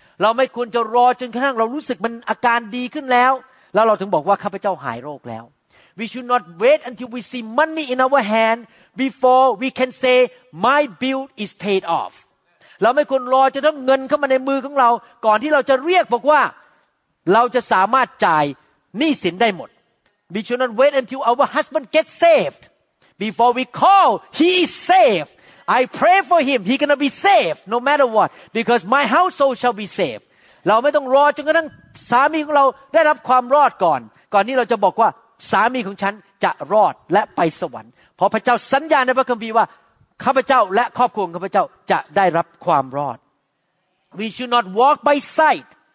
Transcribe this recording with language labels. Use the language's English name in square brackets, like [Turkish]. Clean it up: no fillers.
[Thai] เราไม่ควรจะรอจนกระทั่งเรารู้สึกมันอาการดีขึ้นแล้วแล้วเราถึงบอกว่าข้าพเจ้าหายโรคแล้ว [English] We should not wait until we see money in our hand before we can say my bill is paid off. [Thai] เราไม่ควรรอจนถึงเงินเข้ามาในมือของเราก่อนที่เราจะเรียกบอกว่าเราจะสามารถจ่ายหนี้สินได้หมด [English] We should not wait until our husband gets savedBefore we call, he is safe. I pray for him. He's gonna be safe, no matter what, because my household shall be safe. [Thai] เราไม่ต้องรอจนกระทั่งสามีของเราได้รับความรอดก่อนนี้เราจะบอกว่าสามีของฉันจะรอดและไปสวรรค์เพราะพระเจ้าสัญญาในพระคัมภีร์ว่าข้าพเจ้าและครอบครัวของข้าพเจ้าจะได้รับความรอด [English] We should not walk by sight.